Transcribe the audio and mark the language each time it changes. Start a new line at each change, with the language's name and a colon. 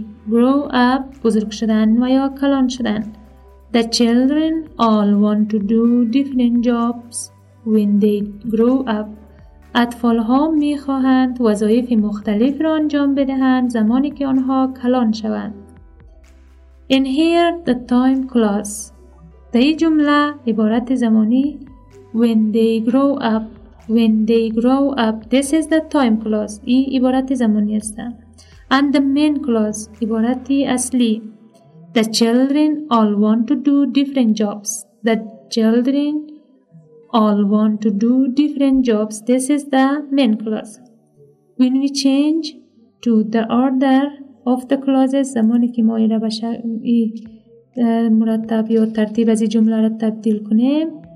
Persian: grow up بزرگ شدن و یا کلان شدن
English: The children all want to do different jobs when they grow up
Persian: اطفال ها می خواهند وظایف مختلف را انجام بدهند زمانی که آنها کلان شوند
English: In here the time clause
Persian: در این جمله عبارت زمانی
English: When they grow up This is the time clause
Persian: این عبارت زمانی است
English: And the main clause
Persian: عبارت اصلی
English: The children all want to do different jobs The children all want to do different jobs This is the main clause When we change to the order of the clauses
Persian: زمانی که ما ایره بشه مرتب یا ترتیب از این جمله را تبدیل کنیم